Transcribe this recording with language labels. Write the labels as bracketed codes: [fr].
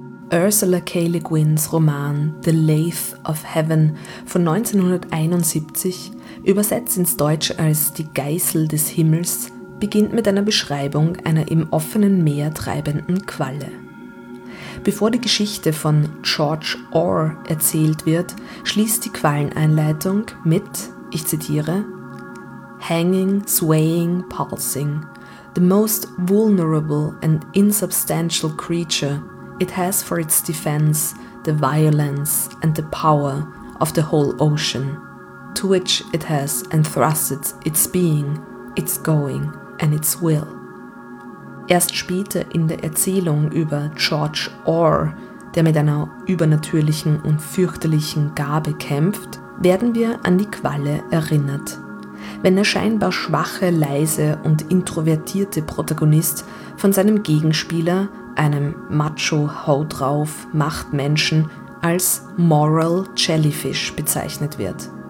[de] Ursula K. Le Guin's Roman The Lathe of Heaven von 1971, übersetzt ins Deutsche als Die Geißel des Himmels, beginnt mit einer Beschreibung einer im offenen Meer treibenden Qualle. Bevor die Geschichte von George Orr erzählt wird, schließt die Qualleneinleitung mit, ich zitiere, [en] "Hanging, swaying, pulsing, the most vulnerable and insubstantial creature, it has for its defense the violence and the power of the whole ocean, to which it has entrusted its being, its going and its will." [de] Erst später in der Erzählung über George Orr, der mit einer übernatürlichen und fürchterlichen Gabe kämpft, werden wir an die Qualle erinnert. Wenn der scheinbar schwache, leise und introvertierte Protagonist von seinem Gegenspieler, einem Macho-Haut-drauf-Machtmenschen, als Moral Jellyfish bezeichnet wird.